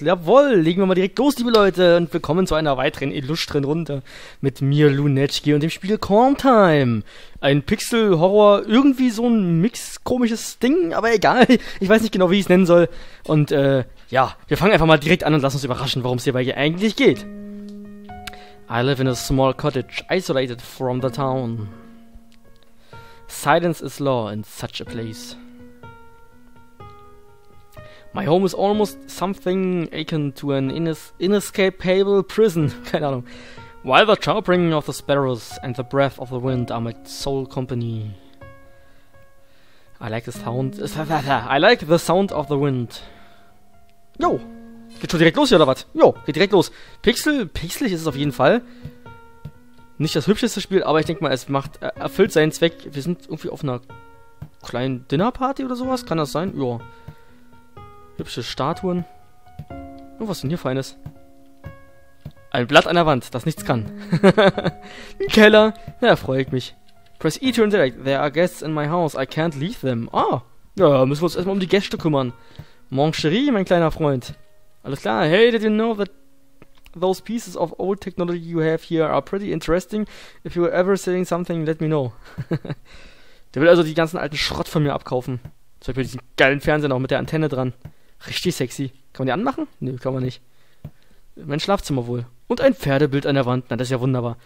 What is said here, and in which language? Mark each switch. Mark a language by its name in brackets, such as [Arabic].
[German] Jawohl, legen wir mal direkt los, liebe Leute, und willkommen zu einer weiteren illustren Runde mit mir, Lunetschki, und dem Spiel Korntime. Ein Pixel-Horror, irgendwie so ein Mix-komisches Ding, aber egal, ich weiß nicht genau, wie ich es nennen soll. Und ja, wir fangen einfach mal direkt an und lassen uns überraschen, worum es hierbei hier eigentlich geht. [English] I live in a small cottage, isolated from the town. Silence is law in such a place. My home is almost something akin to an inescapable prison. [German] Keine Ahnung. [English] While the chirping of the sparrows and the breath of the wind are my sole company. I like the sound. I like the sound of the wind. [German] Yo! Geht schon direkt los hier oder was? Jo, geht direkt los. Pixelig ist es auf jeden Fall. Nicht das hübscheste Spiel, aber ich denke mal, es macht erfüllt seinen Zweck. Wir sind irgendwie auf einer kleinen Dinnerparty oder sowas. Kann das sein? Jo. Hübsche Statuen. Oh, was denn hier Feines? Ein Blatt an der Wand, das nichts kann. Ein Keller. Ja, freue ich mich. [English] Press E to interact. There are guests in my house. I can't leave them. [German] Ah, ja, müssen wir uns erstmal um die Gäste kümmern. [French] Mon chéri, [German] mein kleiner Freund. Alles klar. [English] Hey, did you know that those pieces of old technology you have here are pretty interesting? If you're ever selling something, let me know. [German] Der will also die ganzen alten Schrott von mir abkaufen. Zum Beispiel diesen geilen Fernseher noch mit der Antenne dran. Richtig sexy. Kann man die anmachen? Nö, kann man nicht. Mein Schlafzimmer wohl. Und ein Pferdebild an der Wand. Na, das ist ja wunderbar.